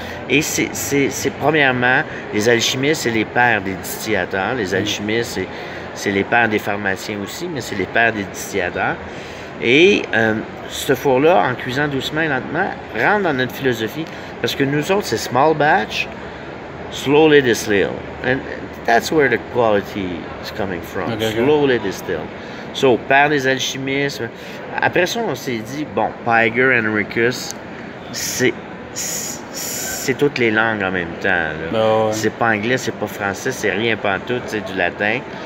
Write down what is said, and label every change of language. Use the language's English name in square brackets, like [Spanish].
[French] Et c'est premièrement, les alchimistes, c'est les pères des distillateurs. Les alchimistes, c'est les pères des pharmaciens aussi, mais c'est les pères des distillateurs. Et ce four-là, en cuisant doucement et lentement, rentre dans notre philosophie. Parce que nous autres, c'est [English] small batch, slowly distilled. And that's where the quality is coming from. Okay, slowly distilled. So, [French] par les alchimistes. Après ça, on s'est dit, bon, Piger, Henricus, c'est toutes les langues en même temps. Là. Oh, ouais. C'est pas anglais, c'est pas français, c'est rien pantoute, c'est du latin.